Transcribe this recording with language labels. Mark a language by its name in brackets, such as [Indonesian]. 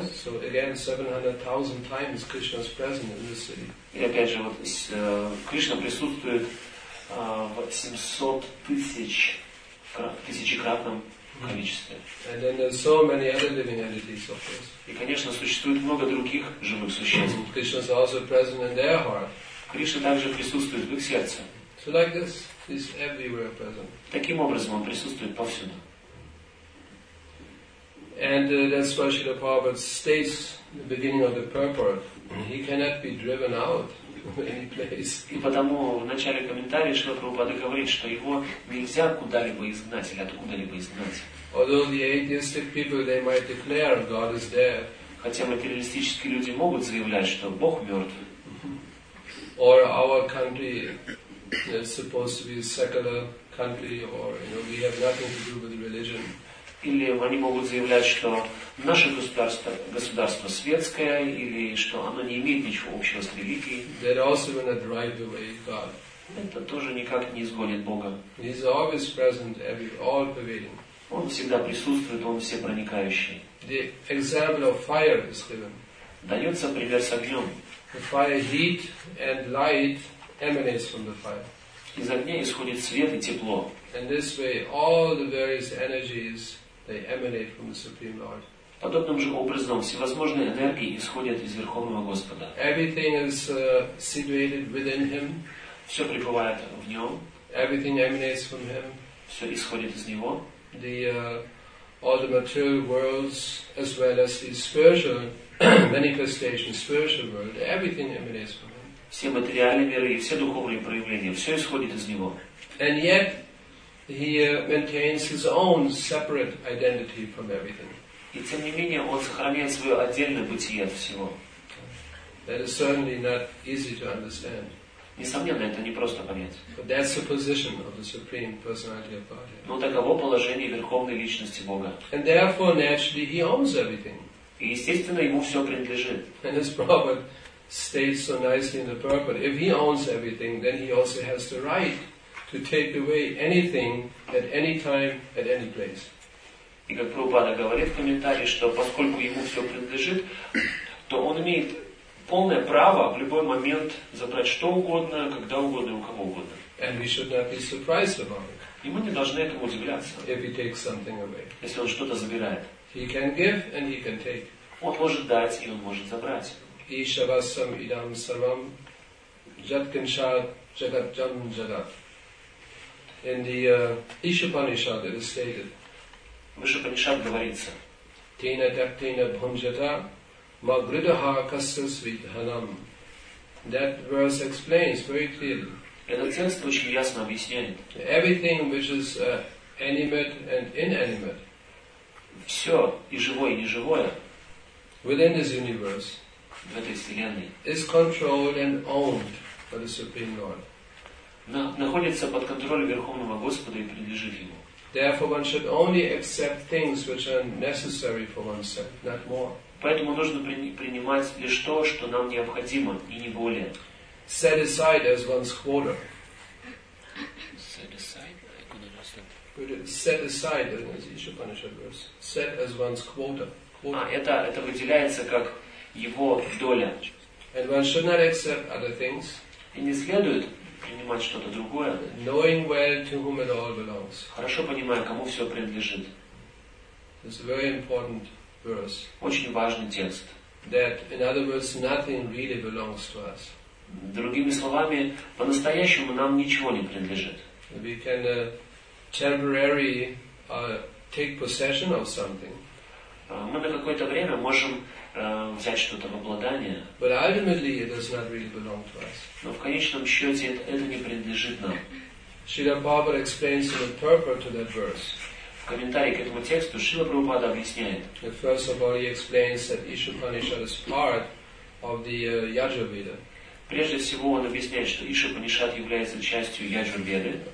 [English] So again, 700,000 times Krishna is present in this city. [Russian] И опять же, вот Кришна присутствует в 700 тысячекратном количестве. [English] And then there's so many other living entities, of course. [Russian] И, конечно, существует много других живых существ. [English] Krishna is also present in their heart. [Russian] Кришна также присутствует в их сердце. [English] So like this, he's everywhere present. [Russian] Таким образом, он присутствует повсюду. [English] And that's why Srila Prabhupada states in the beginning of the purport, he cannot be driven out of any place. [Russian] И потому в начале комментария Шрила Прабхупада говорит, что его нельзя куда-либо изгнать или откуда-либо изгнать. [English] Although the atheistic people, they might declare God is dead. [Russian] Хотя материалистические люди могут заявлять, что Бог мертв. [English] Or our country is supposed to be a secular country, or we have nothing to do with religion. [Russian] Или они могут заявлять, что наше государство светское, или что оно не имеет ничего общего с религией. [English] That also will not drive away God. [Russian] Это тоже никак не изгонит Бога. [English] He is always present, all-pervading. [Russian] Он всегда присутствует, он всепроникающий. [English] The example of fire is given. [Russian] Дается пример с огнем. [English] The fire heat and light emanates from the fire. [Russian] Из огня исходит свет и тепло. [English] And this way, all the various energies, they emanate from the Supreme Lord. [Russian] Подобным же образом всевозможные энергии исходят из Верховного Господа. [English] Everything is situated within Him. [Russian] Все пребывает в нем. [English] Everything emanates from him. [Russian] Все исходит из него. [English] The all the material worlds, as well as the spiritual manifestation, spiritual world, everything emanates from him. [Russian] Все материальные миры и все духовные проявления, все исходит из него. [English] And yet he maintains his own separate identity from everything. [Russian] И тем не менее он сохраняет свое отдельное бытие от всего. [English] That is certainly not easy to understand. [Russian] Несомненно, это не просто понять. [English] But that's the position of the Supreme Personality of Godhead. [Russian] Но таково положение Верховной Личности Бога. [English] And therefore, naturally, he owns everything. [Russian] И естественно, ему все принадлежит. [English] And as Prabhupada states so nicely in the Purport, if he owns everything, then he also has the right to take away anything at any time, at any place. [Russian] И как Прабхупада говорит в комментарии, что поскольку ему все принадлежит, то он имеет полное право в любой момент забрать что угодно, когда угодно и у кого угодно. [English] And we should not be surprised about it. [Russian] И мы не должны этому удивляться. [English] If he takes something away. [Russian] Если он что-то забирает. [English] He can give and he can take. [Russian] Он может дать и он может забрать. [Sanskrit] Иша васам идам сарвам джаткинша джагат джам джагат. [English] In the Ишупанишад it is stated. [Russian] В Ишупанишад говорится. [Sanskrit] Тина дак тина бхунжата. Магридаха кассасвитханам. [English] That verse explains very clearly. [Russian] Этот текст очень ясно объясняет. [English] Everything which is animate and inanimate. [Russian] Все, и живое, и неживое. [English] Within this universe. [Russian] В этой вселенной. [English] Is controlled and owned by the Supreme Lord. [Russian] Находится под контролем Верховного Господа и принадлежит Ему. [English] Therefore one should only accept things which are necessary for oneself, not more. [Russian] Поэтому нужно принимать лишь то, что нам необходимо, и не более. [English] Set aside as one's quota. Set aside? I couldn't understand. Set aside as Isha Upanishad verse. Set as one's quota. [Russian] А, это выделяется как его доля. [English] And one should not accept other things. [Russian] И не следует принимать что-то другое. [English] Knowing well to whom it all belongs. [Russian] Хорошо понимая, кому все принадлежит. [English] It's very important. [Russian] Очень важный текст. [English] That, in other words, nothing really belongs to us. [Russian] Другими словами, по-настоящему нам ничего не принадлежит. [English] We can temporarily take possession of something. [Russian] Мы на какое-то время можем взять что-то в обладание. [English] But ultimately, it does not really belong to us. [Russian] Но в конечном счете это не принадлежит нам. [English] Srila Prabhupada explains the purport to that verse. [Russian] В комментарии к этому тексту Шрила Прабхупада объясняет. [English] First of all, he explains that Ишупанишад is part of the Яджурведа. [Russian] Прежде всего, он объясняет, что Ишупанишад является частью Яджурведы.